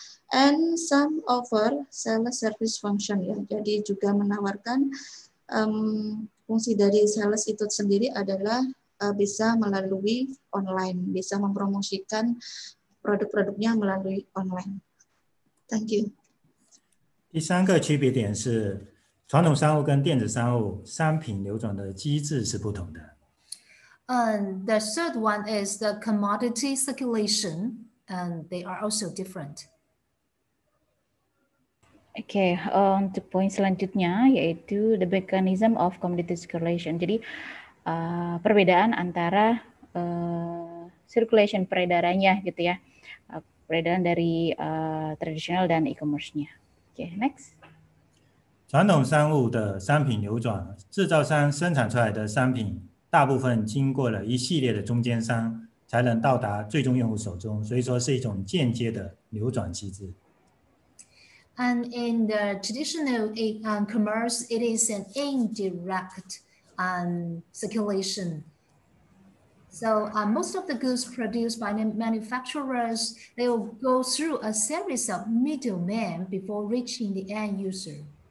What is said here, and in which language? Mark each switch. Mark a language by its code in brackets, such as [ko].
[en] And some offer sales service function [id] ya. Jadi juga menawarkan fungsi dari sales itu sendiri adalah bisa melalui online, bisa mempromosikan produk-produknya melalui online. [en] Thank you. [zh] 第三个区别点是传统商务跟电子商务商品流转的机制是不同的。 [en] The third one is the commodity circulation, and they are also different. [id] Okay, untuk poin selanjutnya yaitu [en] the mechanism of commodity circulation. [id] Jadi perbedaan antara circulation peredarannya gitu ya, peredaran dari tradisional dan e-commerce-nya. Okay, next. [zh] 传统商务的商品流转，制造商生产出来的商品大部分经过了一系列的中间商才能到达最终用户手中，所以说是一种间接的流转机制。 [en] And in the traditional commerce, it is an indirect circulation. So most of the goods produced by the manufacturers, they will go through a series of middlemen before reaching the end user.